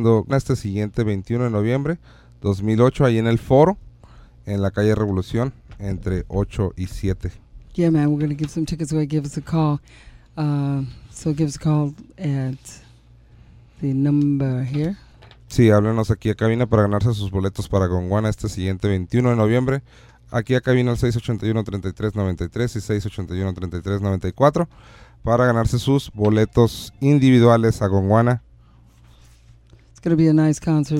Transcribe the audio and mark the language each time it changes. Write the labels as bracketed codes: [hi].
[es] Este siguiente 21 de noviembre 2008 ahí en el foro en la calle Revolución entre 8 y 7. [en] Yeah man, we're gonna give some tickets away. Give us a call. So give us a call at the number here. [es] Sí, háblenos aquí a cabina para ganarse sus boletos para Gondwana este siguiente 21 de noviembre. Aquí a cabina al 681-3393 y 681-3394 para ganarse sus boletos individuales a Gondwana. [en] Going to be a nice concert.